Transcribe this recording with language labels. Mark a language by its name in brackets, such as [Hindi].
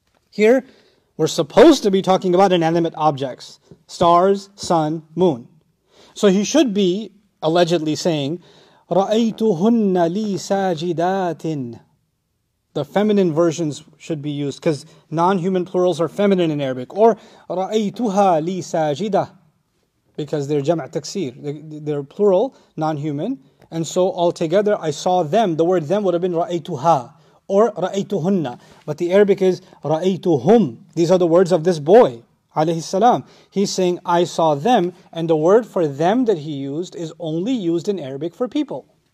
[English] Here, we're supposed to be talking about inanimate objects. Stars, sun, moon. So he should be allegedly saying, [Arabic] رَأَيْتُهُنَّ لِي سَاجِدَاتٍ. [English] The feminine versions should be used because non-human plurals are feminine in Arabic. Or [Arabic] رَأَيْتُهَا لِي سَاجِدَةٍ, [English] because they're [Arabic] جَمْع تَكْسِيرٍ. [English] They're plural, non-human. And so altogether, I saw them. The word them would have been رَأَيْتُهَا or رَأَيْتُهُنَّ. But the Arabic is رَأَيْتُهُمْ. These are the words of this boy, alayhi salam. He's saying, I saw them, and the word for them that he used is only used in Arabic for people.